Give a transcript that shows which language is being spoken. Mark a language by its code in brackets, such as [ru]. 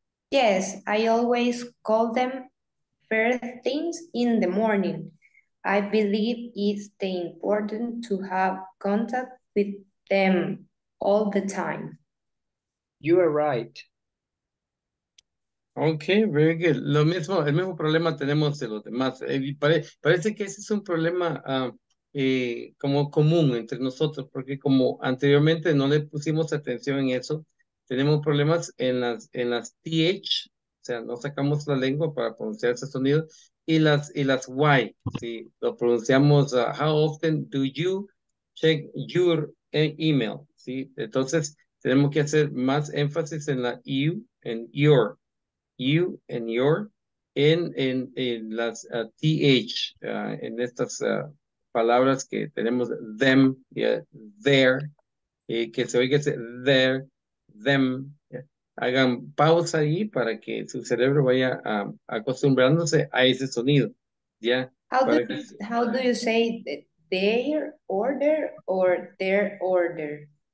[en] Yes, I always call them first things in the morning. I believe it's important to have contact with them all the time. You are right. Okay, very good. [es] Lo mismo, el mismo problema tenemos de los demás. Parece que ese es un problema como común entre nosotros, porque como anteriormente no le pusimos atención en eso, tenemos problemas en las TH, o sea, no sacamos la lengua para pronunciar ese sonido, y las Y, si lo pronunciamos, how often do you check your email, ¿sí? Entonces, tenemos que hacer más énfasis en la you and your. You and your en las TH, en estas palabras que tenemos them, yeah, there, que se oiga ese there, them. Yeah. Hagan pausa ahí para que su cerebro vaya acostumbrándose a ese sonido. [en] Yeah. How do you say their order or their order?